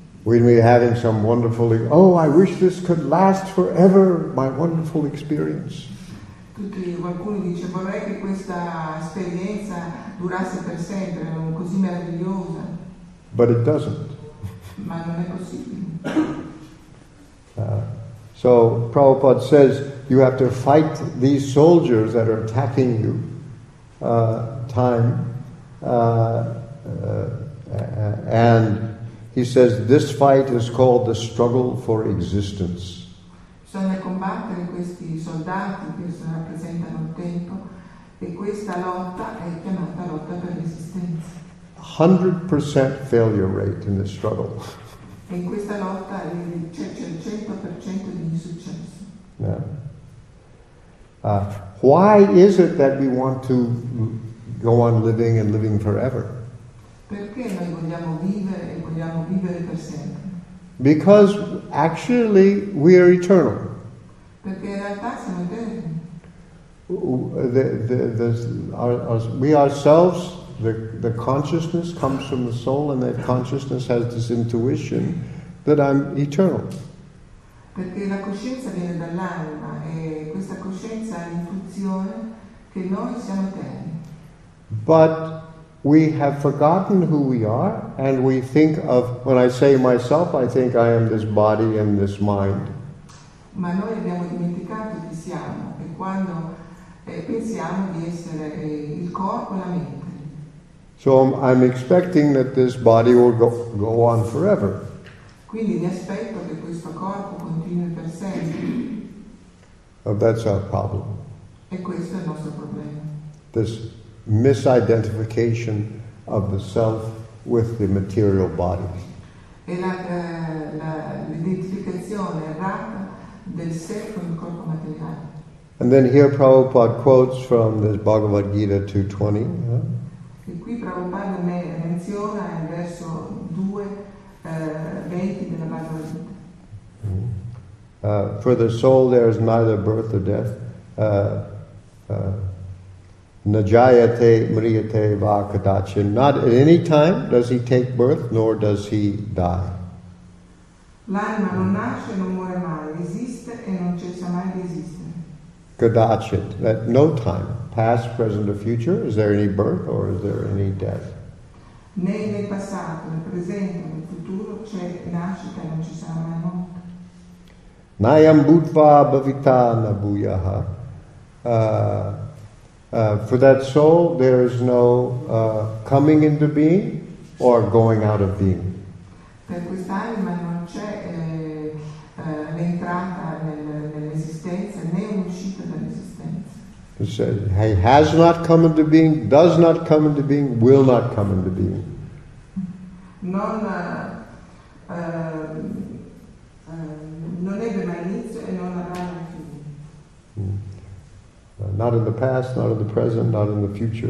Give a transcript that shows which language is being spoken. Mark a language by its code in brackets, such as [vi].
[en] We'd be having some wonderful, oh, I wish this could last forever, my wonderful experience. [it] Tutti, qualcuno dice, vorrei che questa esperienza durasse per sempre, così meravigliosa. [en] But it doesn't. [it] Ma non è possibile. [en] So Prabhupada says you have to fight these soldiers that are attacking you and he says this fight is called the struggle for existence. [it] Bisogna combattere questi soldati che rappresentano il tempo e questa lotta è chiamata lotta per l'esistenza. [en] 100% failure rate in this struggle. [it] In questa lotta c'è il 100% di insuccesso. [en] Yeah. Why is it that we want to go on living and living forever? [it] Perché noi vogliamo vivere e vogliamo vivere per sempre? [en] Because actually we are eternal. [it] Perché in realtà siamo eterni. [en] We ourselves, the consciousness comes from the soul, and that consciousness has this intuition that I'm eternal. [it] Perché la coscienza viene dall'anima e questa coscienza ha l'intuizione che noi siamo eterni. [en] But we have forgotten who we are, and we think of, when I say myself, I think I am this body and this mind. [it] Ma noi abbiamo dimenticato chi siamo e quando pensiamo di essere il corpo e la mente. [en] So I'm expecting that this body will go on forever. [it] Quindi mi aspetto che questo corpo continui per sempre. [en] Oh, that's our problem. [it] E questo è il nostro problema. [en] This misidentification of the self with the material body. [it] E l'identificazione errata del sé con il corpo materiale. [en] And then here Prabhupada quotes from this Bhagavad Gita 2:20. [it] E qui Prabhupada menziona il verso 2:20 della Bhagavad Gita. [en] For the soul there is neither birth nor death. [sa] Najayate mriyate va kadachin. [en] Not at any time does he take birth, nor does he die. [it] L'anima non nasce e non muore mai, esiste e non cessa mai di esistere. [en] Kadachit, at no time, past, present, or future, is there any birth or is there any death? [it] Né nel passato, nel presente, nel futuro c'è nascita e non ci sarà mai morte. [sa] Nayam bhutva bhavita na bhuyaha. [en] For that soul, there is no coming into being or going out of being. [it] Per quest'anima non c'è l'entrata nell'esistenza né un'uscita dall'esistenza. [en] He has not come into being, does not come into being, will not come into being. [it] Non ebbe mai inizio e non avrà mai fine. [en] Not in the past, not in the present, not in the future.